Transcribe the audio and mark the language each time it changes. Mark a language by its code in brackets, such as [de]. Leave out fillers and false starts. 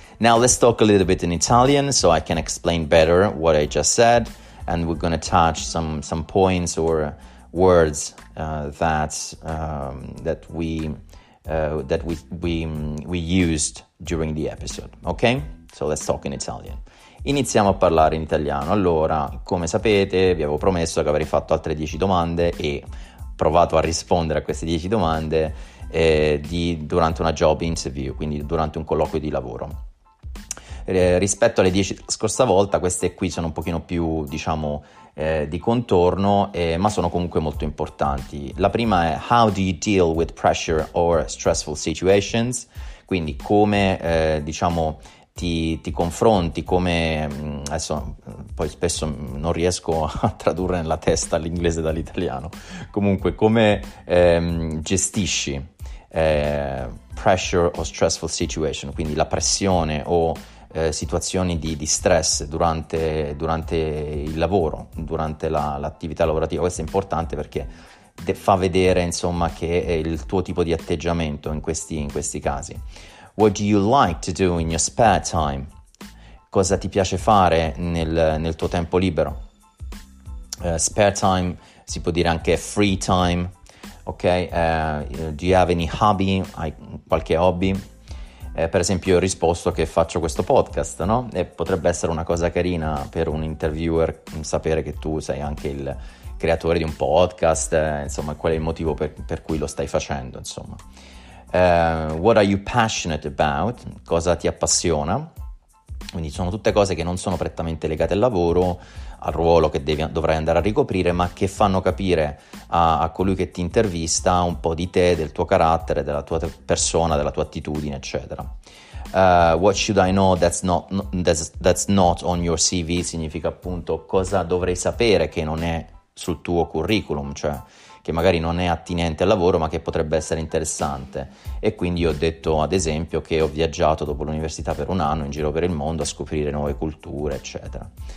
[en] Now let's talk a little bit in Italian so I can explain better what I just said. And we're going to touch some points or words that we used during the episode. Okay, so let's talk in Italian. [it] Iniziamo a parlare in italiano. Allora, come sapete, vi avevo promesso che avrei fatto altre 10 domande e provato a rispondere a queste 10 domande durante una job interview, quindi durante un colloquio di lavoro. rispetto alle 10 della scorsa volta, queste qui sono un pochino più, diciamo, di contorno, ma sono comunque molto importanti. La prima è: [en] how do you deal with pressure or stressful situations? [it] Quindi come, diciamo, ti confronti, come, adesso poi spesso non riesco a tradurre nella testa l'inglese dall'italiano, comunque come gestisci [en] pressure or stressful situation, [it] quindi la pressione o situazioni di stress durante il lavoro, durante l'attività lavorativa. Questo è importante perché fa vedere, insomma, che è il tuo tipo di atteggiamento in questi casi. [en] What do you like to do in your spare time? [it] Cosa ti piace fare nel tuo tempo libero? Spare time si può dire anche free time, ok? [en] Do you have any hobby? [it] Hai qualche hobby? Per esempio, ho risposto che faccio questo podcast, no? E potrebbe essere una cosa carina per un interviewer sapere che tu sei anche il creatore di un podcast, insomma, qual è il motivo per cui lo stai facendo, insomma. [en] What are you passionate about? [it] Cosa ti appassiona? Quindi sono tutte cose che non sono prettamente legate al lavoro, al ruolo che dovrai andare a ricoprire, ma che fanno capire a colui che ti intervista un po' di te, del tuo carattere, della tua persona, della tua attitudine, eccetera. [en] What should I know that's not on your CV? [it] Significa, appunto, cosa dovrei sapere che non è sul tuo curriculum, cioè che magari non è attinente al lavoro ma che potrebbe essere interessante. E quindi ho detto, ad esempio, che ho viaggiato dopo l'università per un anno in giro per il mondo a scoprire nuove culture, eccetera.